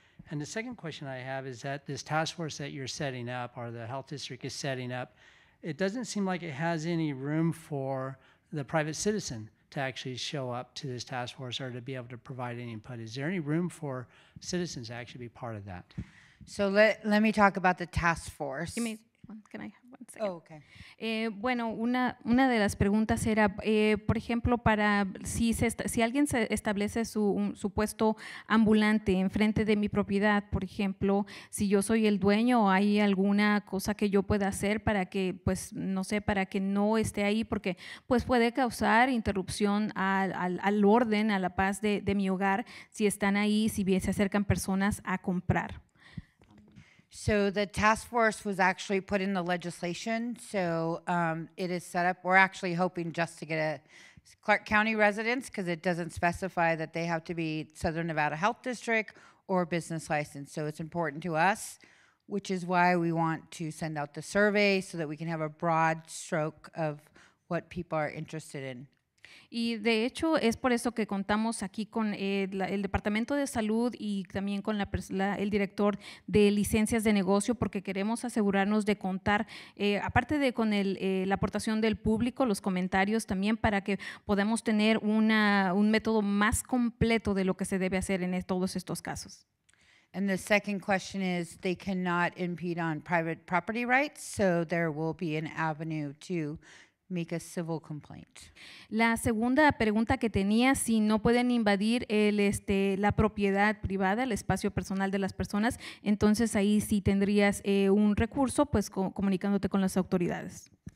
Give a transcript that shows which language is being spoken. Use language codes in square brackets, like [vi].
[en] And the second question I have is that this task force that you're setting up or the health district is setting up, it doesn't seem like it has any room for the private citizen to actually show up to this task force or to be able to provide any input. Is there any room for citizens to actually be part of that? So let me talk about the task force. Give me one, can I have one second? Oh, okay. [es] Bueno, una de las preguntas era, por ejemplo, para si alguien se establece su puesto ambulante enfrente de mi propiedad, por ejemplo, si yo soy el dueño, ¿hay alguna cosa que yo pueda hacer para que, pues, no sé, para que no esté ahí? Porque, pues, puede causar interrupción al orden, a la paz de mi hogar, si están ahí, si bien se acercan personas a comprar. [en] So the task force was actually put in the legislation, so it is set up. We're actually hoping just to get a Clark County residence because it doesn't specify that they have to be Southern Nevada Health District or business license. So it's important to us, which is why we want to send out the survey so that we can have a broad stroke of what people are interested in. [es] Y de hecho es por eso que contamos aquí con el Departamento de Salud y también con el director de licencias de negocio porque queremos asegurarnos de contar, aparte de con la aportación del público, los comentarios también para que podamos tener un método más completo de lo que se debe hacer en todos estos casos. [en] And the second question is they cannot impede on private property rights, so there will be an avenue to make a civil complaint. [es] La segunda pregunta que tenía, si no pueden invadir la propiedad privada, el espacio personal de las personas, entonces ahí sí tendrías un recurso, pues comunicándote con las autoridades.